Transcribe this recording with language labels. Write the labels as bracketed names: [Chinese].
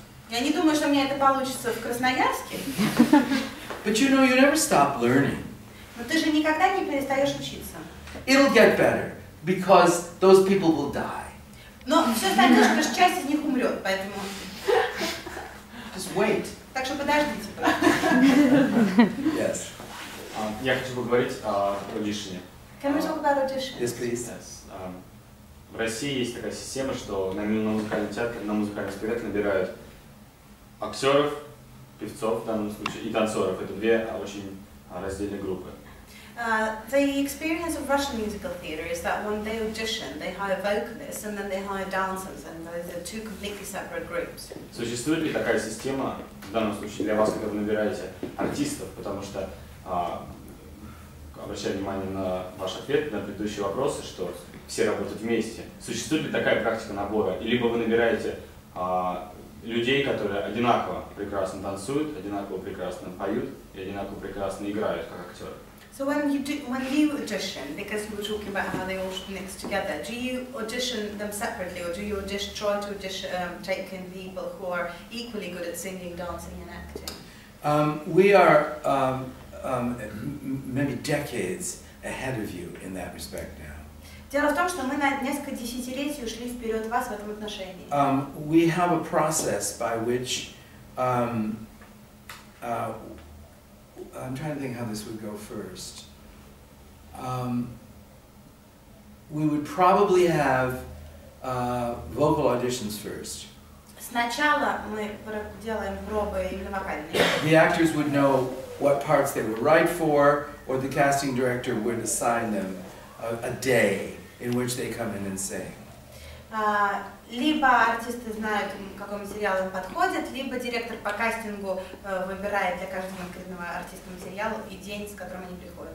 [Russian] Я не думаю, что у меня это получится в Красноярске. [English] But you know, you never stop learning. [Russian] Но ты же никогда не перестаешь учиться. [English] It'll get better, because those people will die. [Russian] Но все станет лучше, потому что часть из них умрет, поэтому... [English] Wait. [Russian] Так что подождите. [English] Yes. [Russian] Я хочу поговорить о лишине. [English] Can we talk about audition? Yes, please. Yes. [Russian] В России есть такая система, что на музыкальный театр, на музыкальный спектакль набирают актеров, певцов в данном случае, и танцоров. Это две очень раздельные группы. [English] The experience of Russian musical theater is that when they audition, they hire vocalists and then they hire dancers, and those are two completely separate groups. [Russian] Существует ли такая система в данном случае для вас, когда вы набираете артистов, потому что обращаю внимание на ваш ответ на предыдущие вопросы, что все работают вместе. Существует ли такая практика набора, или либо вы набираете людей, которые одинаково прекрасно танцуют, одинаково прекрасно поют и одинаково прекрасно играют как актеры? [English] So when you audition, because we were talking about how they all should mix together, do you audition them separately, or do you just try to audition, take in people who are equally good at singing, dancing, and acting? We are maybe decades ahead of you in that respect now. [Russian] Дело в том, что мы на несколько десятилетий ушли вперед вас в этом отношении. [English] We have a process by which I'm trying to think how this would go first. We would probably have vocal auditions first. [Russian] Сначала мы делаем пробы именно вокальные. [English] The actors would know what parts they were right for, or the casting director would assign them a day in which they come in and sing. [Russian] Либо артисты знают, к какому сериалу им подходят, либо директор по кастингу выбирает для каждого конкретного артиста материал и день, с которым они приходят.